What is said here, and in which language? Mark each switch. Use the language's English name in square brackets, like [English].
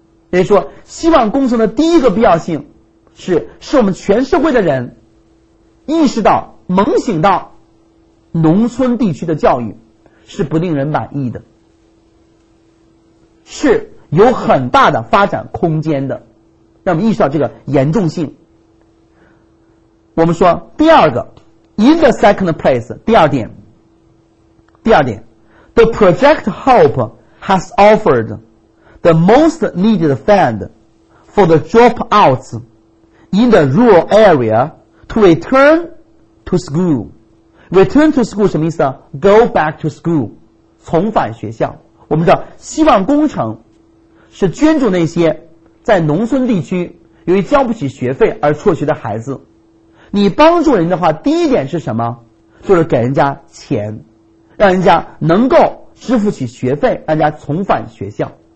[Chinese] 也就说希望工程的第一个必要性是我们全社会的人意识到萌醒到农村地区的教育是不令人满意的，是有很大的发展空间的，让我们意识到这个严重性。我们说第二个， [English] In the second place， [Chinese] 第二点 [English] The project hope has offered the most needed fund for the dropouts in the rural area to return to school。 Return to school [Chinese] 什么意思啊？ [English] Go back to school， [Chinese] 重返学校。我们知道希望工程是捐助那些在农村地区由于交不起学费而辍学的孩子，你帮助人的话第一点是什么？就是给人家钱，让人家能够支付起学费，让人家重返学校。